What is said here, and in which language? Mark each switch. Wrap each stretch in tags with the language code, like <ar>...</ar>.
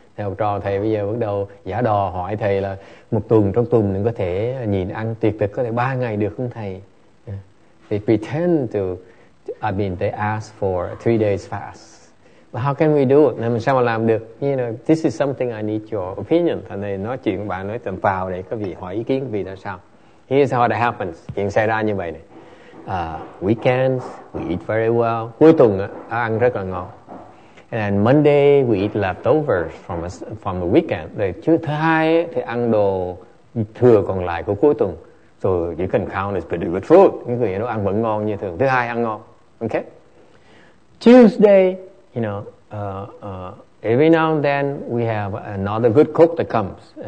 <vi>Thầy học trò thầy bây giờ bắt đầu giả đò hỏi thầy là một tuần trong tuần mình có thể nhìn ăn tuyệt thực, có thể 3 ngày được không thầy?</vi> <en>They pretend to, I mean, they ask for 3 days fast. But how can we do it?</en> <vi>Làm sao mà làm được?</vi> <en>You know, this is something I need your opinion.</en> <vi>Thầy này nói chuyện bạn nói tầm vào để có vị hỏi ý kiến vì là sao?</vi> <en>Here's how that happens.</en> <vi>Chuyện xảy ra như vậy này.</vi> <en>Weekends, we eat very well.</en> <vi>Cuối tuần ăn rất là ngon.</vi> <en>And then Monday, we eat leftovers from the weekend.</en> <vi>Rồi thứ hai thì ăn đồ thừa còn lại của cuối tuần.</vi> <en>So you can count it's pretty good food.</en> <vi>Những người nó ăn vẫn ngon như thường. Thứ hai ăn ngon.</vi> <en>Okay. Tuesday, you know, every now and then we have another good cook that comes.</en>